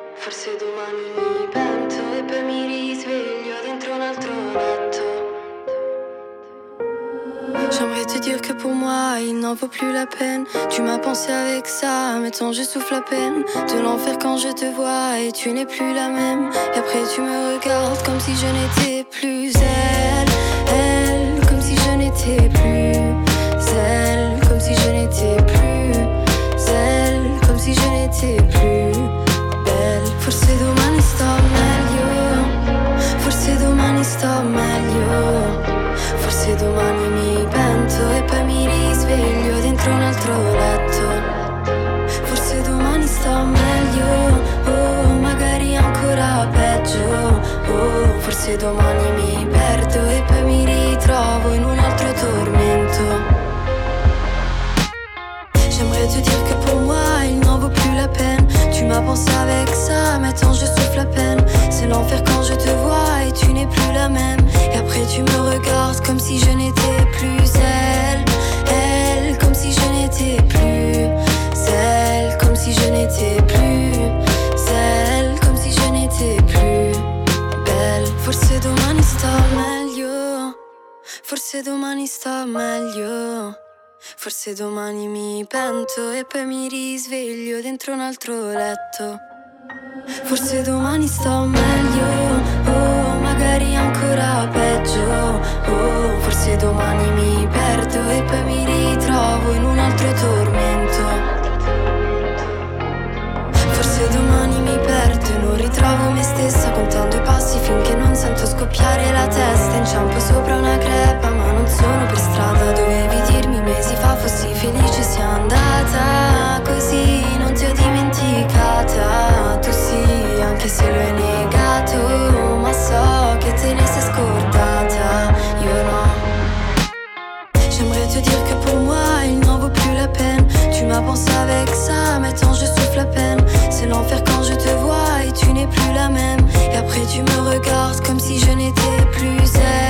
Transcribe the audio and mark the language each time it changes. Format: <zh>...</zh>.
<it>se domani mi pento e poi mi risveglio dentro un altro letto.</it> <fr>J'aimerais te dire que pour moi il n'en vaut plus la peine. Tu m'as pensé avec ça, maintenant je souffle à peine de l'enfer quand je te vois et tu n'es plus la même. Et après tu me regardes comme si je n'étais plus elle, elle, comme si je n'étais plus celle, comme si je n'étais plus celle, comme si je n'étais plus belle.</fr> <it>Forse domani sto meglio, forse domani sto meglio, forse domani mi pento e poi mi risveglio dentro un altro letto. Forse domani sto meglio, oh, magari ancora peggio, oh, forse domani mi perdo e poi mi ritrovo in un altro tormento.</it> <fr>J'aimerais te dire che pour moi il n'en vaut plus la peine. Tu m'as pensé avec ça, maintenant je souffle à peine. C'est l'enfer quand je te vois et tu n'es plus la même. Et après tu me regardes comme si je n'étais plus elle, elle, comme si je n'étais plus celle, comme si je n'étais plus celle, comme si je n'étais plus belle.</fr> <it>Forse domani sto meglio, forse domani sto meglio, forse domani mi pento e poi mi risveglio dentro un altro letto. Forse domani sto meglio, oh, magari ancora peggio, oh, forse domani mi perdo e poi mi ritrovo in un altro tormento. Forse domani mi perdo e non ritrovo me stessa, contando i passi finché non sento scoppiare la testa. Inciampo sopra una crepa ma non sono per strada. Dovevi dirmi mesi fa fossi felice, sia andata così, non ti ho dimenticata. Tu sì, anche se lo hai negato, ma so che te ne sei scordata. Io no.</it> <fr>J'aimerais te dire que pour moi il n'en vaut plus la peine. Tu m'as pensé avec ça, maintenant je souffle à peine. C'est l'enfer quand je te vois et tu n'es plus la même. Et après tu me regardes comme si je n'étais plus elle.</fr>